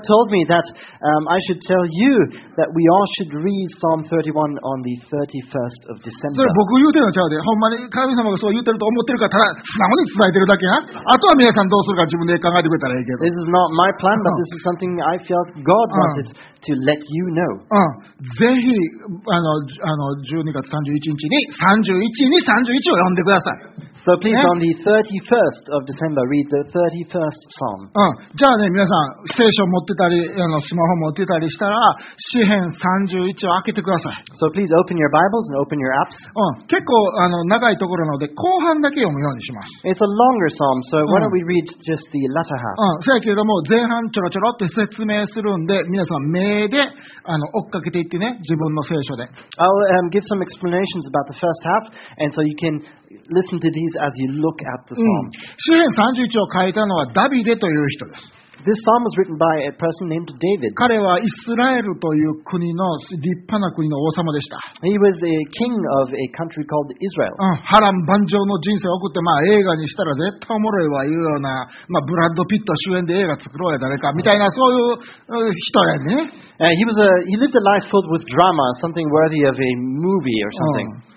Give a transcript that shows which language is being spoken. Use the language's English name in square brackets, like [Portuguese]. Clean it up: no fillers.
[English] told me that I should tell you that we all should read Psalm 31 on the 31st of December. [Japanese] それ僕言うてるのちゃうで。ほんまに神様がそう言ってると思ってるからただ素直に伝えてるだけや。あとは皆さんどうするか自分で考えてくれたらいいけど。 [English] This is not my plan, but this is something I felt God wanted to let you know. [Japanese] ぜひ12月31日に31に31を読んでください。 [English] So please, on the 31st of December, read the 31st Psalm. [Japanese] じゃあね、皆さん、聖書持ってたり、スマホ持ってたりしたら、詩編31を開けてください。 [English] So please open your Bibles and open your apps. [Japanese] 結構長いところなので、後半だけ読むようにします。 [English] It's a longer Psalm, so why don't we read just the latter half? [Japanese] そやけども、前半ちょろちょろって説明するんで、皆さん、目で追っかけていってね、自分の聖書で。 [English] I'll give some explanations about the first half, and so you can listen to these as you look at the psalm. [Japanese] 詩編31を書いたのはダビデという人です。 [English] This psalm was written by a person named David. [Japanese] 彼はイスラエルという国の立派な国の王様でした。 [English] He was a king of a country called Israel. [Japanese] 波乱万丈の人生を送って、まあ映画にしたら絶対おもろいわいうような、まあブラッド・ピット主演で映画作ろうや誰かみたいなそういう人やね。 [English] He lived a life filled with drama, something worthy of a movie or something.